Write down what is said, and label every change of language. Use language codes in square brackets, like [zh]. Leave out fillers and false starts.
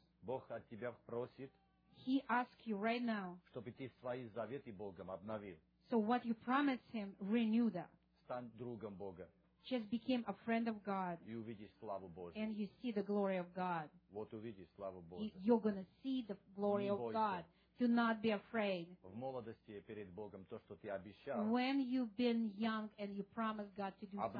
[ru] Бог от тебя просит. [en] He ask you right now. [ru] Чтобы ты свои заветы Богом обновил. [en] So what you promised him, renew that. [ru] Стань другом Бога. [en] Just became a friend of God. [ru] И увидишь славу Божию. [en] And you see the glory of God. [ru] Вот увидишь славу Божию. [en] You're going to see the glory of God. Do not be afraid. [ru] В молодости перед Богом то, что ты обещал. [en] When you've been young and you promised God to do something.